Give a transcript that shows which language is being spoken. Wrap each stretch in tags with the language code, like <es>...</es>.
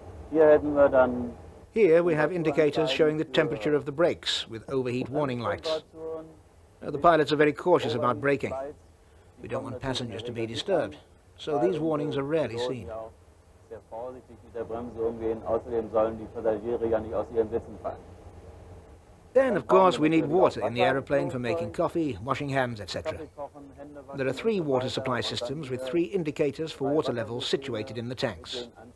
<en>Here we have indicators showing the temperature of the brakes with overheat warning lights. Now, the pilots are very cautious about braking. We don't want passengers to be disturbed, so these warnings are rarely seen.</en> <de>Vorsichtig mit der Bremse umgehen. Außerdem sollen die Passagiere ja nicht aus ihren Sitzen fallen.</de> <en>Then, of course, we need water in the aeroplane for making coffee, washing hands, etc. There are three water supply systems with three indicators for water levels situated in the tanks.</en>